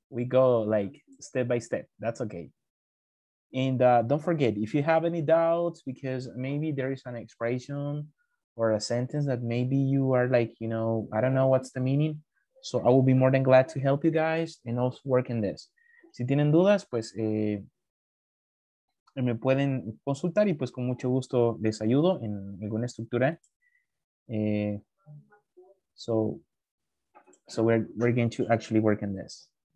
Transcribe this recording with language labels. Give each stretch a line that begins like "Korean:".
English: We go like step by step. That's okay. And don't forget, if you have any doubts, because maybe there is an expression or a sentence that maybe you are like, you know, I don't know what's the meaning. So I will be more than glad to help you guys and also work in this.
Spanish: Si tienen dudas, pues me pueden consultar y pues con mucho gusto les ayudo en alguna estructura.
English: So we're going to actually work in this.